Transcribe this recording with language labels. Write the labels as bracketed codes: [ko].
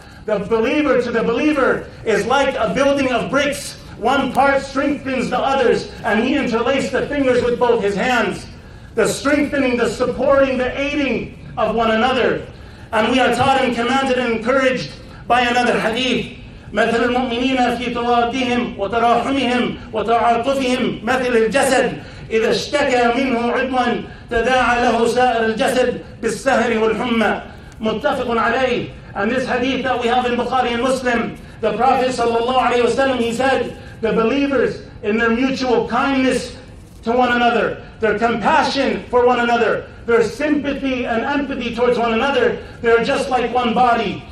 [en] The believer to the believer is like a building of bricks. One part strengthens the others, and he interlaced the fingers with both his hands. The strengthening, the supporting, the aiding of one another. And we are taught and commanded and encouraged by another hadith. [ar] مثل المؤمنين في تواديهم وتراحمهم وتعاطفهم مثل الجسد إذا اشتكى منه عضوا تداعى له سائر الجسد بالسهر والحمى. متفق عليه. [en] And this hadith that we have in Bukhari and Muslim, the Prophet sallallahu alaihi wasallam, he said, the believers in their mutual kindness to one another, their compassion for one another, their sympathy and empathy towards one another, they are just like one body.